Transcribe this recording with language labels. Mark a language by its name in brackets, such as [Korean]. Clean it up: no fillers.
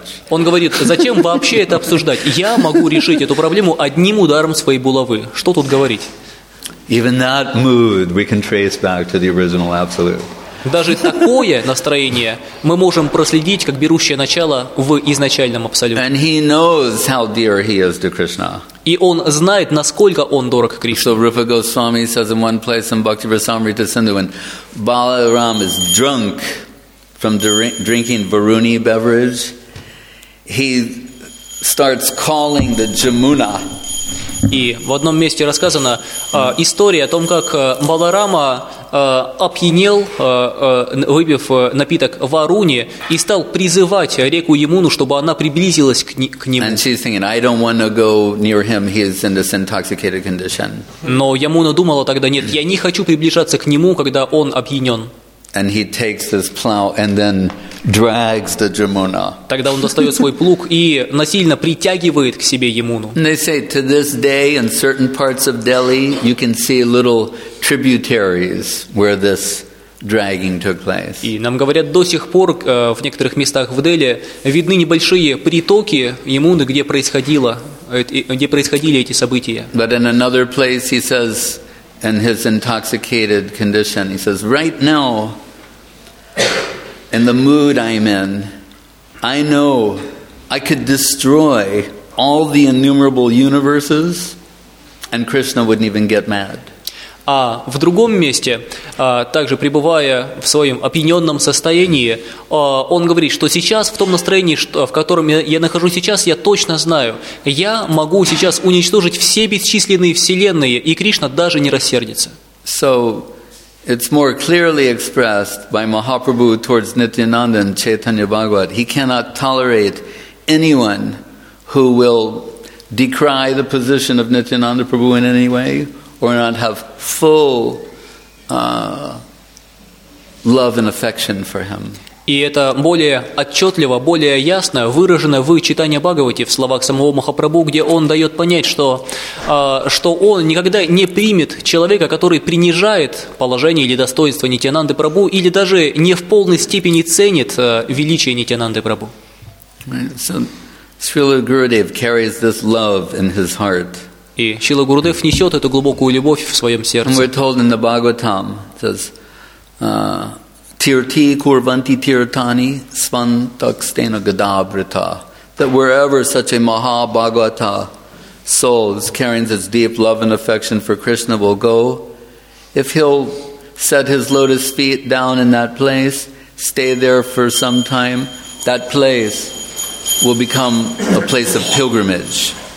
[Russian] Он говорит, зачем вообще это обсуждать? Я могу решить эту проблему одним ударом своей булавы. Что тут говорить? [English] Even that mood we can trace back to the original absolute. [Russian] Даже такое настроение мы можем проследить как берущее начало в изначальном абсолюте. [English] And he knows how dear he is to Krishna. [Russian] И он знает, насколько он дорог Кришне. [English] So Rupa Goswami says in one place in Bhakti Rasamrita Sindhu, when Balaram is drunk from drinking Varuni beverage, he starts calling the Jamuna. [Russian] И в одном месте рассказана история о том, как Баларама опьянел, выпив напиток Варуни, и стал призывать реку Ямуну, чтобы она приблизилась к нему. [English] And she's thinking, I don't want to go near him, he's in this intoxicated condition. [Russian] Но Ямуна думала тогда, нет, я не хочу приближаться к нему, когда он опьянен. [English] And he takes this plow and then drags the Jamuna. [Russian] Тогда он достает свой плуг и насильно притягивает к себе Ямуну. [English] And they say to this day in certain parts of Delhi you can see little tributaries where this dragging took place. [Russian] И нам говорят, до сих пор в некоторых местах в Дели видны небольшие притоки Ямуны, где происходили эти события. [English] But in another place he says, in his intoxicated condition, he says, right now and the mood I'm in, I know I could destroy all the innumerable universes, and Krishna wouldn't even get mad. [Russian] А в другом месте, также пребывая в своем опьяненном состоянии, он говорит, что сейчас, в том настроении, в котором я нахожусь сейчас, я точно знаю, я могу сейчас уничтожить все бесчисленные вселенные, и Кришна даже не рассердится. [English] So, it's more clearly expressed by Mahaprabhu towards Nityananda and Chaitanya Bhagavat. He cannot tolerate anyone who will decry the position of Nityananda Prabhu in any way, or not have full love and affection for him. [Russian] И это более отчетливо, более ясно выражено в читании Бхагавати, в словах самого Махапрабху, где он дает понять, что, что он никогда не примет человека, который принижает положение или достоинство Нитянанды Прабху, или даже не в полной степени ценит величие Нитянанды Прабху. [English] So, Srila Gurudev carries this love in his heart. [Russian] И Шрила Гурудев несет эту глубокую любовь в своем сердце. [English] And we're told in the Bhagavatam, it says, [Sanskrit] Tirti kurvanti tirtani svantakstena gadabrita, [English] that wherever such a maha bhagavata soul is carrying its deep love and affection for Krishna will go, if he'll set his lotus feet down in that place, stay there for some time, that place will become a place of pilgrimage.